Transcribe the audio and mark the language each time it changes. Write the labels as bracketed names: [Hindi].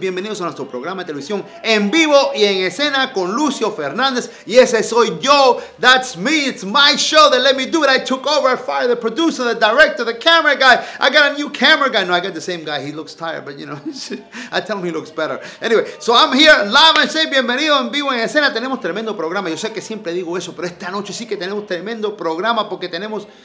[Spanish] Bienvenidos a nuestro programa de televisión en vivo y en escena con Lucio Fernandez. Y ese soy yo. [English] That's me. It's my show. They let me do it. I took over. I fired the producer, the director, the camera guy. I got a new camera guy. No, I got the same guy. He looks tired, but you know, I tell him he looks better. Anyway, so I'm here live on stage. [Spanish] Bienvenido en vivo en escena. Tenemos tremendo programa. Yo sé que siempre digo eso, pero esta noche sí que tenemos tremendo programa porque tenemos...